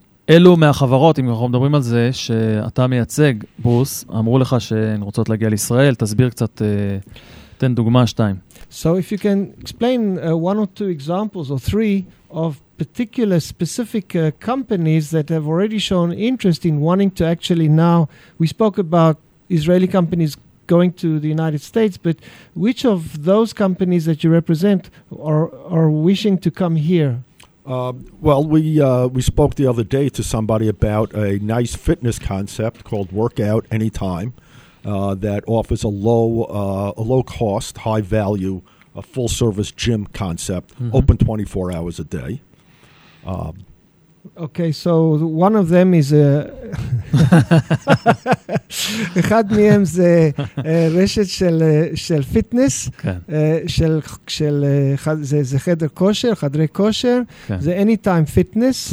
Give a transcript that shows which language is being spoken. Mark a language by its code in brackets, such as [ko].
[he] אלו מהחברות, אם אנחנו מדברים על זה, שאתה מייצג, ברוס, אמרו לך שהן רוצות להגיע לישראל, תסביר קצת, תן דוגמה שתיים. [en] So if you can explain one or two examples or three of particular specific companies that have already shown interest in wanting to actually now, we spoke about Israeli companies going to the United States, but which of those companies that you represent are wishing to come here? Well, we spoke the other day to somebody about a nice fitness concept called Workout Anytime that offers a low cost, high value, a full service gym concept, mm-hmm. open 24 hours a day. Okay, so one of them is [he] אחד מהם זה רשת של פיטנס, של זה חדר כושר, חדרי כושר, זה anytime fitness.